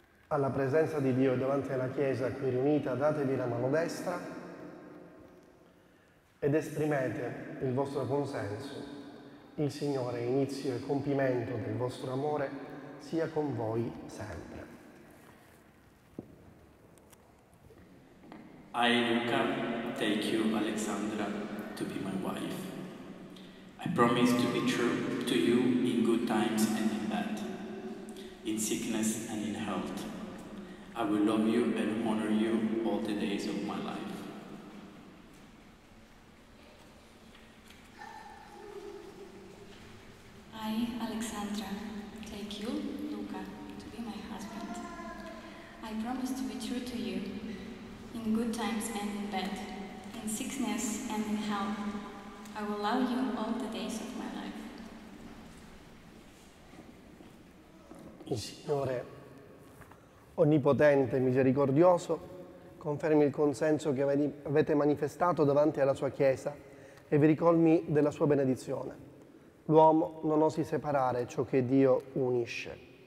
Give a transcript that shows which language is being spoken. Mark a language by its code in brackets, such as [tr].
[it] Alla presenza di Dio davanti alla Chiesa qui riunita, datevi la mano destra ed esprimete il vostro consenso. Il Signore, inizio e compimento del vostro amore, sia con voi sempre. [en] I, Luca, take you, Alessandra, to be my wife. I promise to be true to you in good times and in bad, in sickness and in health. I will love you and honor you all the days of my life. I, Alessandra, take you, Luca, to be my husband. I promise to be true to you in good times and in bad, in sickness and in health. I will love you all the days of my life. [it] Il Signore onnipotente e misericordioso confermi il consenso che avete manifestato davanti alla sua Chiesa e vi ricolmi della sua benedizione. L'uomo non osi separare ciò che Dio unisce.